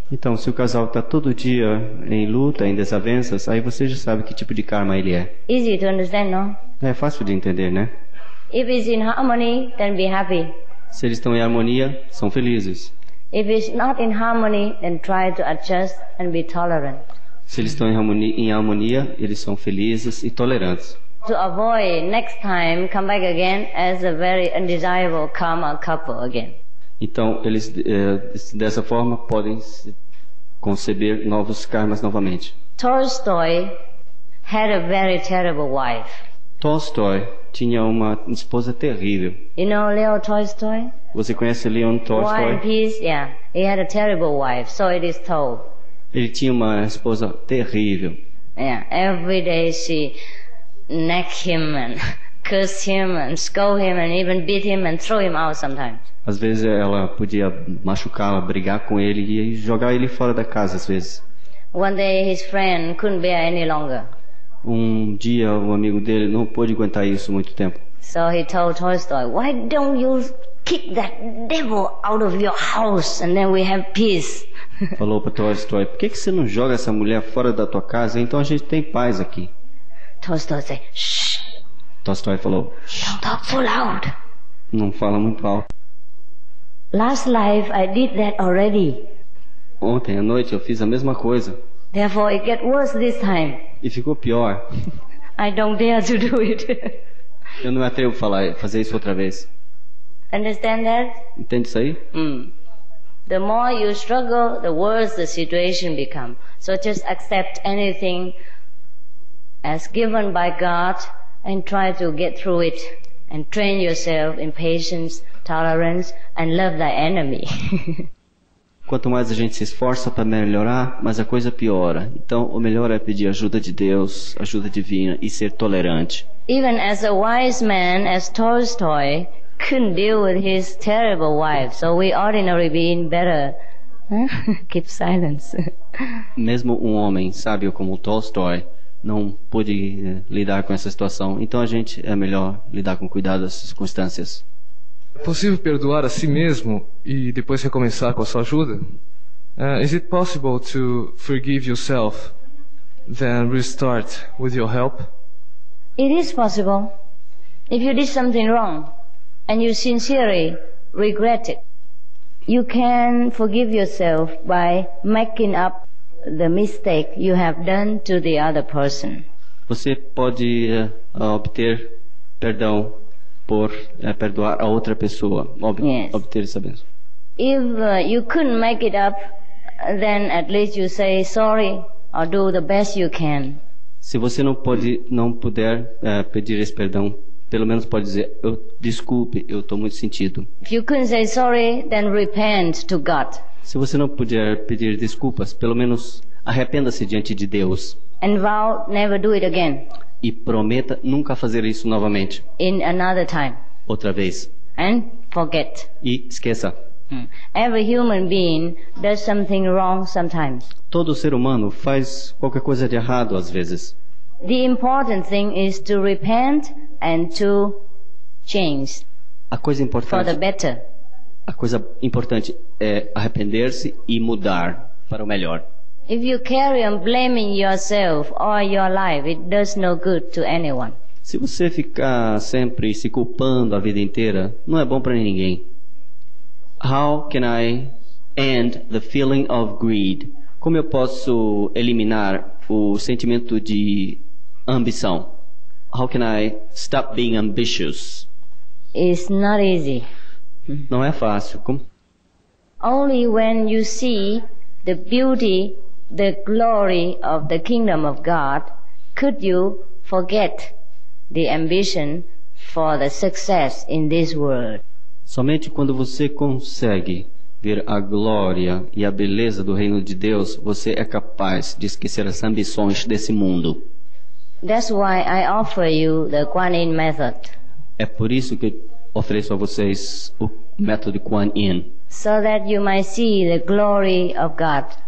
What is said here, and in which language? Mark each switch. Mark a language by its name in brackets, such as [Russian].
[Portuguese] Então, se o casal está todo dia em luta, em desavenças, aí você já sabe que tipo de karma ele é. [English] Easy to understand, no? [Portuguese] É fácil de entender, né? [English] If it's in harmony, then be happy. [Portuguese] Se eles estão em harmonia, são felizes. [English] If it's not in harmony, then try to adjust and be tolerant. [Portuguese] Se eles estão em harmonia, eles são felizes e tolerantes. [English] To avoid next time come back again as a very undesirable karma couple again. [Portuguese] Então eles dessa forma podem conceber novos karmas novamente. [English] Tolstoy had a very terrible wife. [Portuguese] Tolstoy tinha uma esposa terrível. [English] You know Leo Tolstoy? [Portuguese] Você conhece Leo Tolstoy? [English] War and Peace, yeah. He had a terrible wife, so it is told. [Portuguese] Ele tinha uma esposa terrível. [English] Yeah, every day she neck him and curse him and scold him and even beat him and throw him out sometimes. [Portuguese] Às vezes ela podia machucá-lo, brigar com ele e jogar ele fora da casa às vezes. [English] One day his friend couldn't bear any longer. [Portuguese] Um dia o amigo dele não pôde aguentar isso muito tempo. [English] So he told Tolstoy, "Why don't you kick that devil out of your house and then we have peace?" [Portuguese] Falou para Tolstoy, "Por que você não joga essa mulher fora da tua casa? Então a gente tem paz aqui." [English] Tolstoy said, "Shh." [Portuguese] Tolstoy falou, [English] "Shh. Don't talk so loud." [Portuguese] Não fala muito alto. [English] "Last life I did that already." [Portuguese] Ontem à noite eu fiz a mesma coisa. [English] "Therefore it get worse this time." [Portuguese] E ficou pior. [English] "I don't dare to do it." [Portuguese] Eu não me atrevo a fazer isso outra vez. [English] Understand that? [Portuguese] Entende isso aí? [English] The more you struggle, the worse the situation become. So just accept anything as given by God and try to get through it and train yourself in patience, tolerance and love thy enemy. [Portuguese] Quanto mais a gente se esforça para melhorar, mais a coisa piora. Então, o melhor é pedir ajuda de Deus, ajuda divina e ser tolerante. [English] Even as a wise man as Tolstoy couldn't deal with his terrible wife, so we ordinary being better keep silence. [Portuguese] Mesmo homem sábio como Tolstoy não pude lidar com essa situação. Então a gente é melhor lidar com cuidado as circunstâncias. É possível perdoar a si mesmo e depois recomeçar com a sua ajuda? [English] Is it possible to forgive yourself then restart with your help? It is possible. If you did something wrong and you sincerely regret it, you can forgive yourself by making up the mistake you have done to the other person. [Portuguese] Você pode obter perdão por perdoar a outra pessoa, obter essa bênção. [English] If you couldn't make it up, then at least you say sorry or do the best you can. [Portuguese] Se você não puder pedir esse perdão, pelo menos pode dizer desculpe, eu estou muito sentido. [English] If you couldn't say sorry, then repent to God. [Portuguese] Se você não puder pedir desculpas, pelo menos arrependa-se diante de Deus. [English] And vow never do it again. [Portuguese] E prometa nunca fazer isso novamente. [English] In another time. [Portuguese] Outra vez. [English] And forget. [Portuguese] E esqueça. [English] Every human being does something wrong sometimes. [Portuguese] Todo ser humano faz qualquer coisa de errado às vezes. [English] The important thing is to repent and to change. [Portuguese] A coisa importante. [English] For the better. [Portuguese] A coisa importante é arrepender-se e mudar para o melhor. [English] If you carry on blaming yourself or your life, it does no good to anyone. [Portuguese] Se você ficar sempre se culpando a vida inteira, não é bom para ninguém. [English] How can I end the feeling of greed? [Portuguese] Como eu posso eliminar o sentimento de ambição? [English] How can I stop being ambitious? It's not easy. [Portuguese] Não é fácil. Como? [English] Only when you see the beauty, the glory of the kingdom of God, could you forget the ambition for the success in this world. [Portuguese] Somente quando você consegue ver a glória e a beleza do reino de Deus, você é capaz de esquecer as ambições desse mundo. [English] That's why I offer you the Kuan Yin method. [Portuguese] É por isso que ofereço a vocês o método Kuan Yin. [English] So that you might see the glory of God.